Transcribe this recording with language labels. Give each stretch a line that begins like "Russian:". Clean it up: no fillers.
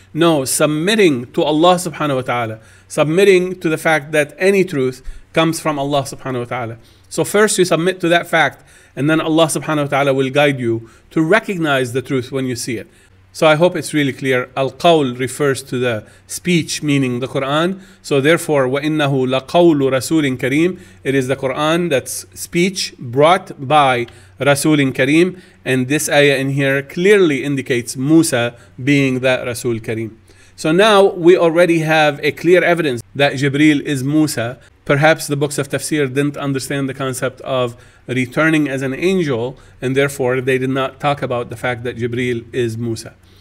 English: No, submitting to Allah subhanahu wa ta'ala, submitting to the fact that any truth comes from Allah subhanahu wa ta'ala. So first you submit to that fact, and then Allah subhanahu wa ta'ala will guide you to recognize the truth when you see it. So I hope it's really clear. Al-Qawl refers to the speech, meaning the Quran. So therefore,
Arabic: وَإِنَّهُ لَقَوْلُ رَسُولٍ كَرِيمٍ.
English: It is the Quran that's speech brought by Rasulin Kareem. And this ayah in here clearly indicates Musa being that Rasul Kareem. So now we already have a clear evidence that Jibreel is Musa. Perhaps the books of Tafsir didn't understand the concept of returning as an angel, and therefore they did not talk about the fact that Jibreel is Musa.